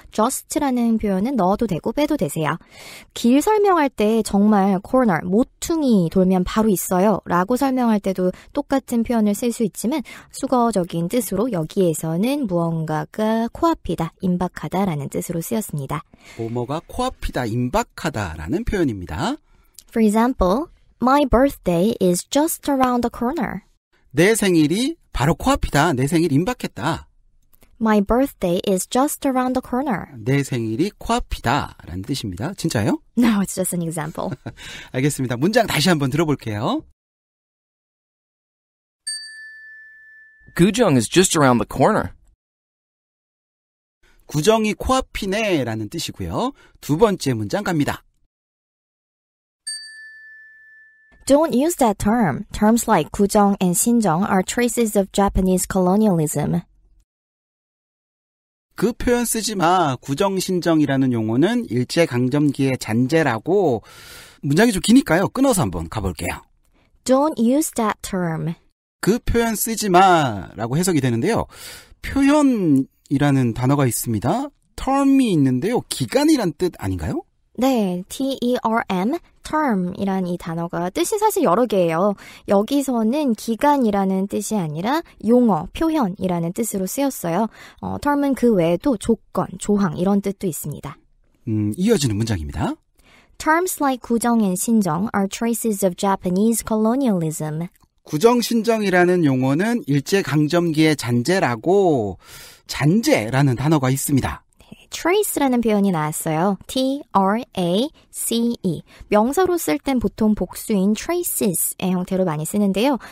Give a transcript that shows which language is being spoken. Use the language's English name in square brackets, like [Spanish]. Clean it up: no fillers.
[Korean] just라는 표현은 넣어도 되고 빼도 되세요. 길 설명할 때 정말 corner, 모퉁이 돌면 바로 있어요 라고 설명할 때도 똑같은 표현을 쓸 수 있지만 수거적인 뜻으로 여기에서는 무언가가 코앞이다, 임박하다라는 뜻으로 쓰였습니다. 뭐뭐가 코앞이다, 임박하다라는 표현입니다. [English] For example, My birthday is just around the corner. [Korean] 내 생일이 바로 코앞이다. 내 생일 임박했다. [English] My birthday is just around the corner. [Korean] 내 생일이 코앞이다. 라는 뜻입니다. 진짜요? [English] No, it's just an example. [Korean] 알겠습니다. 문장 다시 한번 들어볼게요. [English] Gujeong is just around the corner. [Korean] 구정이 코앞이네. 라는 뜻이고요. 두 번째 문장 갑니다. [English] Don't use that term. Terms like 구정 and 신정 are traces of Japanese colonialism. [Korean] 그 표현 쓰지 마. 구정, 신정이라는 용어는 일제강점기의 잔재라고 문장이 좀 기니까요. 끊어서 한번 가볼게요. [English] Don't use that term. [Korean] 그 표현 쓰지 마라고 해석이 되는데요. 표현이라는 단어가 있습니다. term이 있는데요. 기간이란 뜻 아닌가요? 네, T-E-R-M, term이란 이 단어가 뜻이 사실 여러 개예요. 여기서는 기간이라는 뜻이 아니라 용어, 표현이라는 뜻으로 쓰였어요. term은 그 외에도 조건, 조항 이런 뜻도 있습니다. 이어지는 문장입니다. [English] Terms like 구정 and 신정 are traces of Japanese colonialism. [Korean] 구정, 신정이라는 용어는 일제강점기의 잔재라고 잔재라는 단어가 있습니다. trace라는 표현이 나왔어요. T-R-A-C-E 명사로 쓸 땐 보통 복수인 traces의 형태로 많이 쓰는데요.